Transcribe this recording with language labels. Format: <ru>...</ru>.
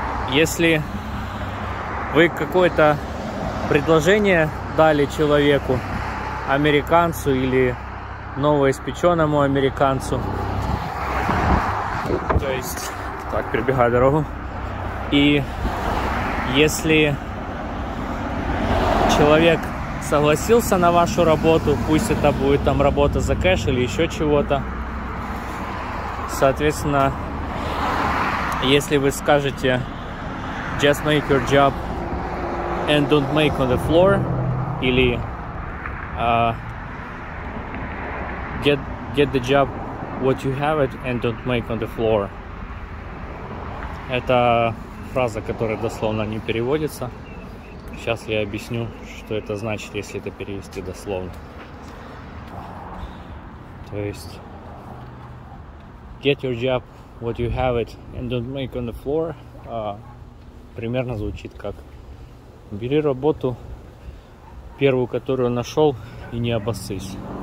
<ru>Если вы какое-то предложение дали человеку, американцу или новоиспеченному американцу, то есть, так, перебегаю дорогу. И если человек согласился на вашу работу, пусть это будет там работа за кэш или еще чего-то, соответственно, если вы скажете</ru> <en>just make your job and don't make on the floor,</en> <ru>или</ru> <en>get the job what you have it and don't make on the floor.</en> <ru>Это фраза, которая дословно не переводится. Сейчас я объясню, что это значит, если это перевести дословно. То есть</ru> <en>get your job what you have it and don't make on the floor</en> <ru>примерно звучит как бери работу первую, которую нашел, и не обоссись.</ru>